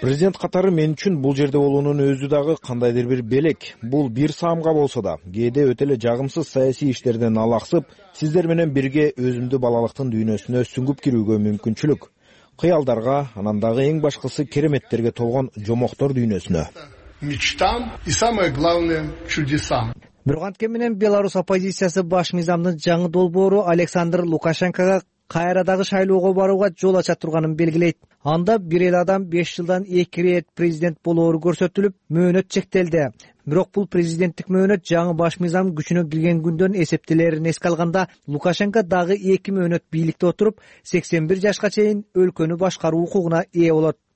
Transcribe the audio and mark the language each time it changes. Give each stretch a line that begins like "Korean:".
Kyrgyz: Президент катары мен үчүн бул жерде болуунун өзү дагы кандайдыр бир белек. Бул бир саамга болсо да, кээде өтө эле жагымсыз саясий иштерден алаксып, сиздер менен бирге өзүмдү балалыктын дүйнөсүнө сүңгүп кирүүгө мүмкүнчүлүк. Кыялдарга, анан дагы эң башкысы кереметтерге толгон жомоктор дүйнөсүнө.
Russian: Мечтам и самое главное чудесам.
Kyrgyz: Бурганке менен Беларусь оппозициясы баш мыйзамдын жаңы долбоору Александр Лукашенкога кайра дагы шайлоого барууга жол ача турганын белгилейт. Анда бир эле адам 5 жылдан 2 ирет президент болоору көрсөтүлүп, мөөнөт чектелди. Бирок бул президенттик мөөнөт жаңы баш мыйзам күчүнө кирген күндөн эсептелерин эске алганда, Лукашенко дагы 2 мөөнөт бийликте отуруп, 81 жашка чейин өлкөнү башкаруу укугуна ээ болот.